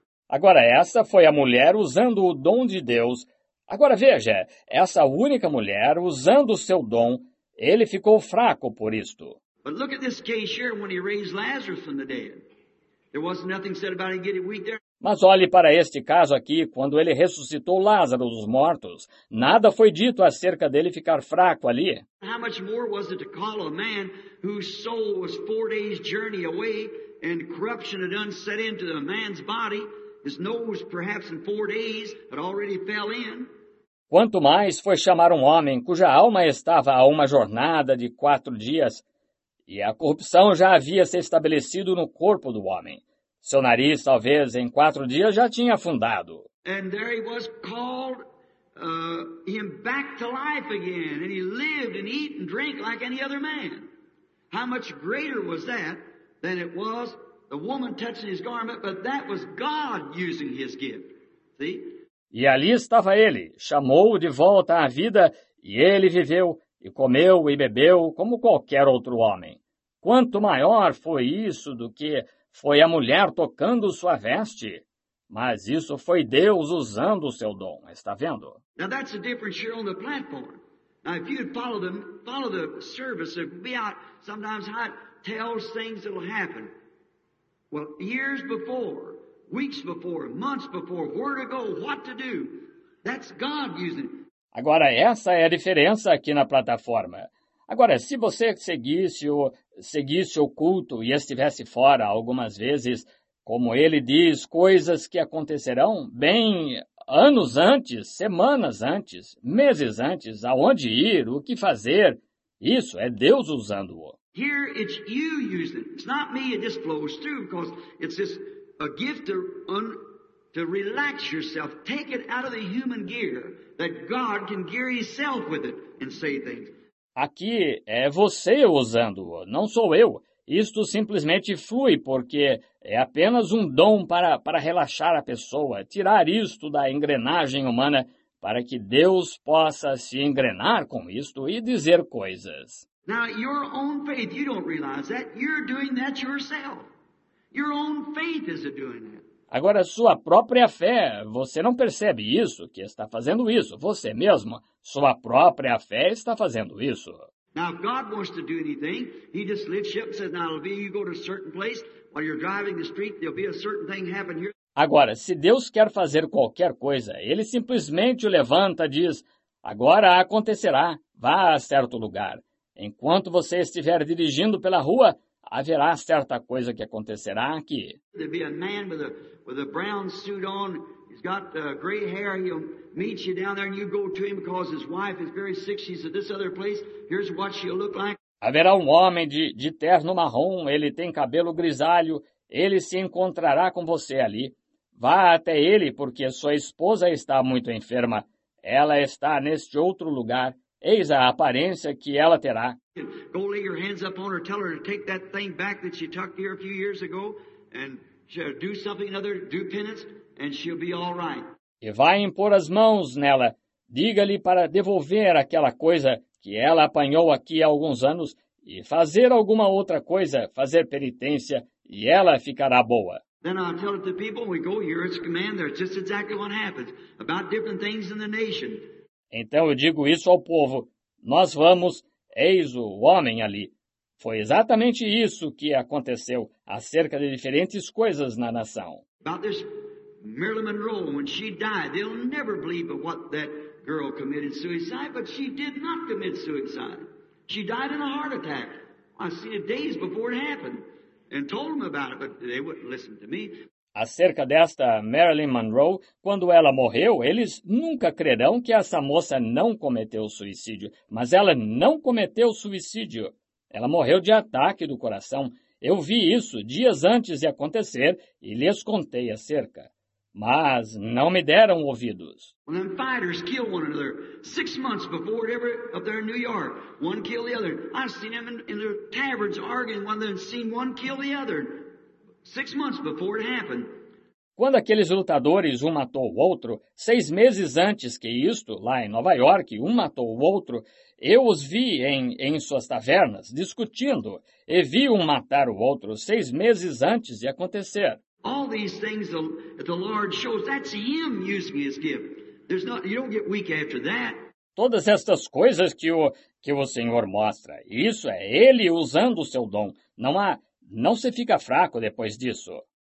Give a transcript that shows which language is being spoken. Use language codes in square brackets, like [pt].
[pt] Agora, essa foi a mulher usando o dom de Deus. Agora veja, essa única mulher usando o seu dom, ele ficou fraco por isto. [en] But look at this case here when he raised Lazarus from the dead. There was nothing said about him getting weak there. [pt] Mas olhe para este caso aqui, quando ele ressuscitou Lázaro dos mortos. Nada foi dito acerca dele ficar fraco ali. [en] How much more was it to call a man whose soul was 4 days journey away and corruption had unset into the man's body, his nose perhaps in 4 days had already fell in? [pt] Quanto mais foi chamar um homem cuja alma estava a uma jornada de 4 dias e a corrupção já havia se estabelecido no corpo do homem. Seu nariz, talvez, em 4 dias já tinha afundado. [en] And there he was called him back to life again. And he lived and ate and drank like any other man. How much greater was that than it was the woman touching his garment, but that was God using his gift. See? [pt] E ali estava ele, chamou-o de volta à vida, e ele viveu, e comeu e bebeu como qualquer outro homem. quanto maior foi isso do que foi a mulher tocando sua veste? Mas isso foi Deus usando o seu dom, está vendo? [en] Now that's the difference here on the platform. Now if you'd follow the service, it would be out sometimes how it tells things that will happen. Well, years before, weeks before, months before, where to go, what to do. That's God using it. [pt] Agora, essa é a diferença aqui na plataforma. Agora, se você seguisse o culto e estivesse fora algumas vezes, como ele diz, coisas que acontecerão bem anos antes, semanas antes, meses antes, aonde ir, o que fazer, isso é Deus usando-o. [en] Here it's you using it. It's not me, it just flows through, because it's just a gift to relax yourself, take it out of the human gear, that God can gear himself with it and say things. [pt] Aqui é você usando-o, não sou eu. Isto simplesmente flui, porque é apenas um dom para relaxar a pessoa, tirar isto da engrenagem humana, para que Deus possa se engrenar com isto e dizer coisas. [en] Now, your own faith, you don't realize that. You're doing that yourself. Your own faith is doing that. [pt] Agora, sua própria fé, você não percebe isso, que está fazendo isso. Você mesmo, sua própria fé está fazendo isso. [en] Now, if God wants to do anything, he just lifts you up and says, now, it'll be you go to a certain place, while you're driving the street, there'll be a certain thing happen here. [pt] Agora, se Deus quer fazer qualquer coisa, ele simplesmente o levanta e diz, agora acontecerá, vá a certo lugar. Enquanto você estiver dirigindo pela rua, haverá certa coisa que acontecerá aqui. [en] There'll be a man with a brown suit on, he's got gray hair, he'll meet you down there and you go to him because his wife is very sick, she's at this other place, here's what she'll look like. [pt] Haverá um homem de terno marrom, ele tem cabelo grisalho, ele se encontrará com você ali. Vá até ele porque sua esposa está muito enferma, ela está neste outro lugar. Eis a aparência que ela terá. [en] Go lay your hands up on her, tell her to take that thing back that she tucked here a few years ago, and she'll do something another, do penance, and she'll be all right. [pt] E vai impor as mãos nela. Diga-lhe para devolver aquela coisa que ela apanhou aqui há alguns anos e fazer alguma outra coisa, fazer penitência, e ela ficará boa. [en] Then I'll tell it to people, we go here, it's command, there's just exactly what happens, about different things in the nation. [pt] Então eu digo isso ao povo, nós vamos, eis o homem ali. Foi exatamente isso que aconteceu acerca de diferentes coisas na nação. [en] About this Marilyn Monroe, when she died, they'll never believe what that girl committed suicide, but she did not commit suicide. She died in a heart attack. I seen it days before it happened and told them about it, but they wouldn't listen to me. [pt] Acerca desta Marilyn Monroe, quando ela morreu, eles nunca crerão que essa moça não cometeu suicídio. Mas ela não cometeu suicídio. Ela morreu de ataque do coração. Eu vi isso dias antes de acontecer e lhes contei acerca. Mas não me deram ouvidos. [en] Well, then fighters kill one another 6 months before ever up there in New York. One kill the other. I've seen them in their taverns arguing when they've seen one kill the other. 6 months before it happened. [pt] Quando aqueles lutadores um matou o outro, 6 meses antes que isto, lá em Nova York, um matou o outro, eu os vi em suas tavernas discutindo e vi um matar o outro 6 meses antes de acontecer. [en] All these things the Lord shows, that's him using his gift. There's not, you don't get weak after that. [pt] Todas estas coisas que o Senhor mostra, isso é ele usando o seu dom. Não se fica fraco depois disso.